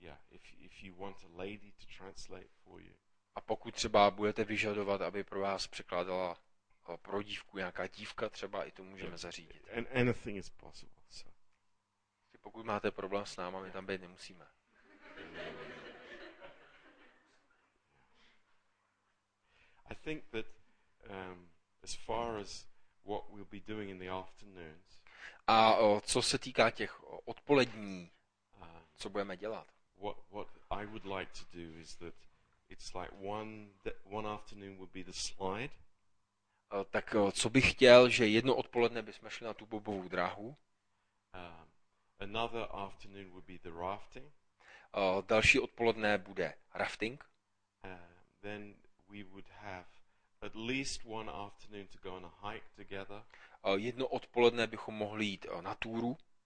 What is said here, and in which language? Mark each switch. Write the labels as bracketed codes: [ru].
[en] If you want a lady to translate for you. [cs] A pokud třeba budete vyžadovat, aby pro vás překládala pro dívku nějaká dívka, třeba i to můžeme zařídit. [en] And anything is possible. So. [cs] Pokud máte problém s náma, my tam být nemusíme. [en] I think that as far as what we'll be doing in the afternoons. [cs] A co se týká těch odpolední, co budeme dělat? [en] What I would like to do is that it's like one afternoon would be the slide. [cs] Tak co bych chtěl, že jedno odpoledne bychom šli na tu bobovou dráhu. [en] Another afternoon would be the rafting. [cs] Další odpoledne bude rafting. [en] Then we would have at least one afternoon to go on a hike together. [cs] Jedno odpoledne bychom mohli jít na túru.